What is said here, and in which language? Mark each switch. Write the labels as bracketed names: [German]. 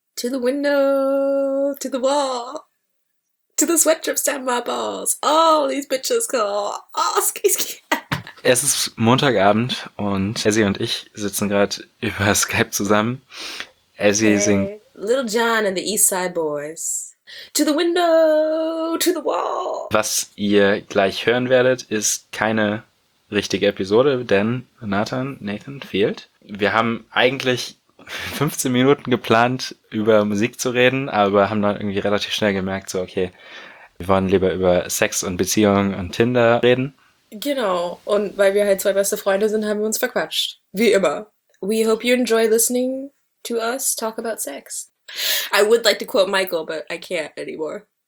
[English] To the window, to the wall, to the sweat drips down my balls. All these bitches call. Oh, ski, ski. [German] Es ist Montagabend und Ezzy und ich sitzen gerade über Skype zusammen. Ezzy singt [English] Little John and the East Side Boys. To the window, to the wall. [German] Was ihr gleich hören werdet, ist keine richtige Episode, denn Nathan fehlt. Wir haben eigentlich 15 Minuten geplant, über Musik zu reden, aber haben dann irgendwie relativ schnell gemerkt, so okay, wir wollen lieber über Sex und Beziehungen und Tinder reden. Genau, und weil wir halt zwei beste Freunde sind, haben wir uns verquatscht. Wie immer. [English] We hope you enjoy listening to us talk about sex. I would like to quote Michael, but I can't anymore.